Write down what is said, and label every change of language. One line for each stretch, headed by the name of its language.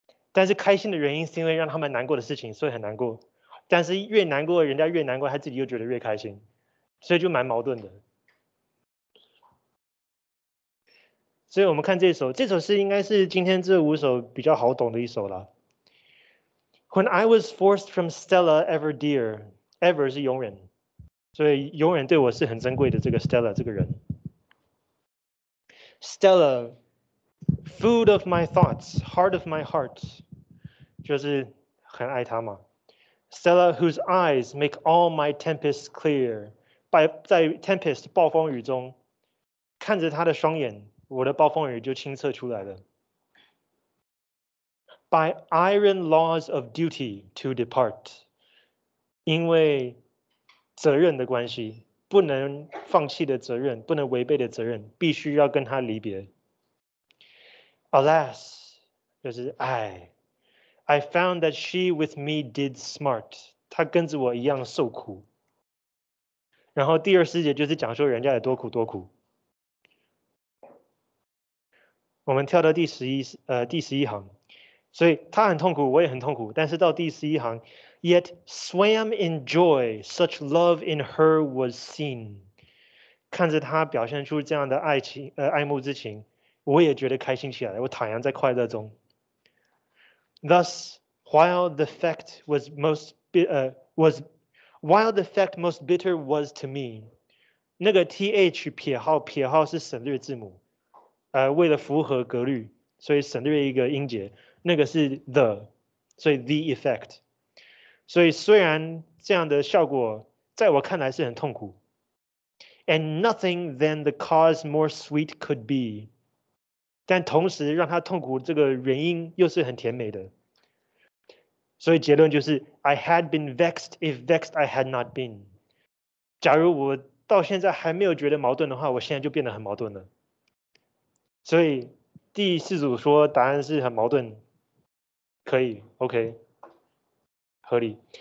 Chinese: 但是开心的原因是因为让他们难过的事情，所以很难过，但是越难过人家越难过，他自己又觉得越开心，所以就蛮矛盾的。所以我们看这首诗应该是今天这五首比较好懂的一首了。
English: When I was forced from Stella ever dear,
Chinese: ever 是永远，所以永远对我是很珍贵的这个 Stella 这个人。
English: Stella, food of my thoughts, heart of my heart,
Chinese: 就是很爱她嘛。
English: Stella whose eyes make all my tempests clear,
Chinese: 在 tempest 暴风雨中，看着她的双眼，我的暴风雨就清澈出来了。
English: By iron laws of duty to depart，
Chinese: 因为责任的关系，不能放弃的责任，不能违背的责任，必须要跟他离别。
English: Alas， 就是I found that she with me did smart，
Chinese: 她跟着我一样受苦。然后第二四节就是讲说人家有多苦多苦。我们跳到第十一行，所以他很痛苦，我也很痛苦，但是到第十一行 ，
English: Yet swam in joy, such love in her was seen。
Chinese: 看着他表现出这样的爱慕之情，我也觉得开心起来，我坦然在快乐中。
English: Thus, while the fact was most bitter was to me,
Chinese: 那个 th 撇号，撇号是省略字母，为了符合格律，所以省略一个音节，那个是 the， 所以
English: the effect。
Chinese: 所以虽然这样的效果在我看来是很痛苦。
English: And nothing than the cause more sweet could be，
Chinese: 但同时让他痛苦这个原因又是很甜美的。所以结论就是
English: I had been vexed if vexed I had not been，
Chinese: 假如我到现在还没有觉得矛盾的话，我现在就变得很矛盾了。所以第四组说答案是很矛盾，可以 OK 合理。